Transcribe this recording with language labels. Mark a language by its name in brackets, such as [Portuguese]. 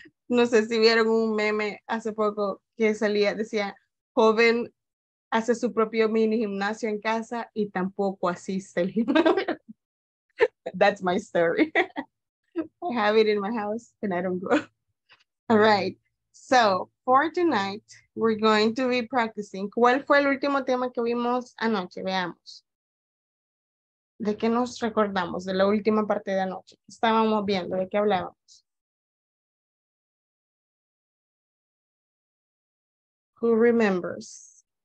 [Spanish] No sé si vieron un meme hace poco que salía, decía, joven hace su propio mini gimnasio en casa y tampoco asiste al gimnasio. [English] That's my story. I have it in my house and I don't go. All right, so for tonight, we're going to be practicing. [Spanish] ¿Cuál fue el último tema que vimos anoche? Veamos. ¿De qué nos recordamos de la última parte de anoche? ¿Qué estábamos viendo? ¿De qué hablábamos? [English] Who remembers?